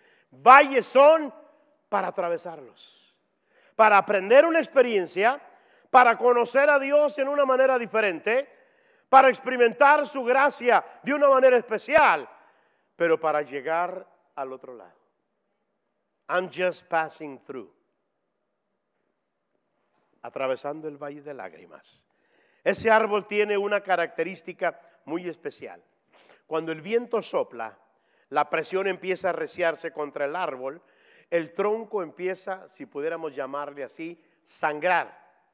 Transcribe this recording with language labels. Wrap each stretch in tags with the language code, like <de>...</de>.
<es>Valles son para atravesarlos, para aprender una experiencia, para conocer a Dios en una manera diferente, para experimentar su gracia de una manera especial, pero para llegar al otro lado.</es> <en>I'm just passing through.</en> <es>Atravesando el valle de lágrimas. Ese árbol tiene una característica muy especial. Cuando el viento sopla, la presión empieza a reciarse contra el árbol, el tronco empieza, si pudiéramos llamarle así, sangrar.</es>